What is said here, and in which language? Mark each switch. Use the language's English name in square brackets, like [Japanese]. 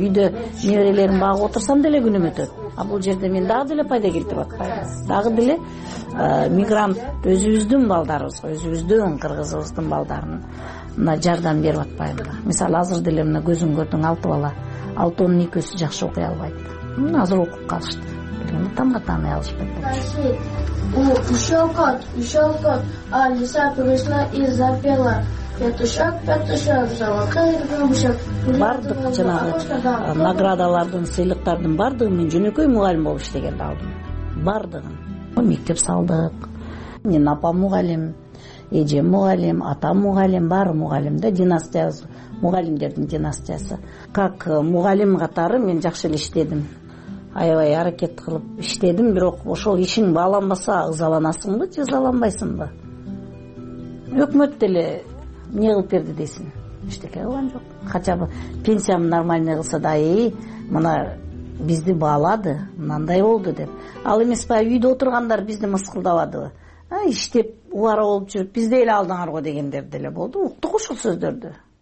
[Kyrgyz] Үйдө неберелерим багып отурсам деле күнүм өтөт. А бул жерде мен дагы деле пайда келтирип атпайм. Дагы деле мигрант өзүбүздүн балдарыбызга, өзүбүздүн кыргызыбыздын балдарына мына жардам берип атпайм да. Мисалы азыр деле мына көзүн көрдүң 6 бала, 6-10 экөөсү жакшы окуй албайт. Мына азыр окуп калышты. Билгенде тамга тааный алышпайт. [Russian] Ушел кот, ушел кот, а лиса пришла и запела. Петушок, петушок, золотой рыбушок. [Kyrgyz] Бардык жанагы наградалардын, сыйлыктардын бардыгын мен жөнөкөй мугалим болуп иштегенде алдым. Бардыгын. Мектеп салдык. Мен апа мугалим, эже мугалим, ата мугалим, бар мугалим да, династиябыз, мугалимдердин династиясы. Как мугалим катары мен жакшы эле иштедим. Аябай аракет кылып иштедим, бирок ошол ишин бааланбаса ызаланасыңбы же ызаланбайсыңбы? Өкмөт деле эмне кылып берди дейсиң? Эчтеке кылган жок. [Russian] Хотя бы [Kyrgyz] пенсиямды нормальный кылса да, мына бизди баалады, мындай болду деп. Ал эмес баягы үйдө отургандар бизди мыскылдабадыбы? Иштеп убара болуп жүрүп бизди эле алдыңар го дегендер деле болду. Уктук ушул сөздөрдү.